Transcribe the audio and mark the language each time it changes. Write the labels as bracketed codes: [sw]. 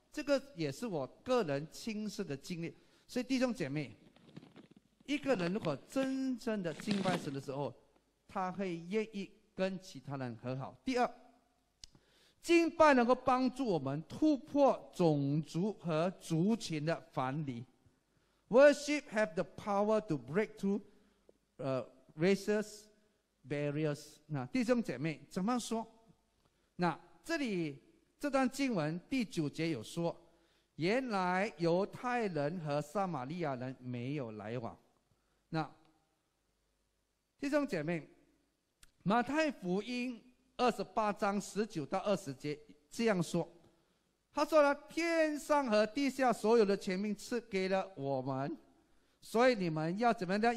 [zh] 这个也是我个人亲身的经历。所以弟兄姐妹，一个人如果真正的敬拜神的时候，他会愿意跟其他人和好。第二，敬拜能够帮助我们突破种族和族群的藩篱。 [en] Worship have the power to break through races barriers。 [zh] 那弟兄姐妹怎么说？那这里这段经文第九节有说，原来犹太人和撒玛利亚人没有来往。那弟兄姐妹，马太福音28:19-20这样说，他说了，天上和地下所有的权柄赐给了我们，所以你们要怎么样？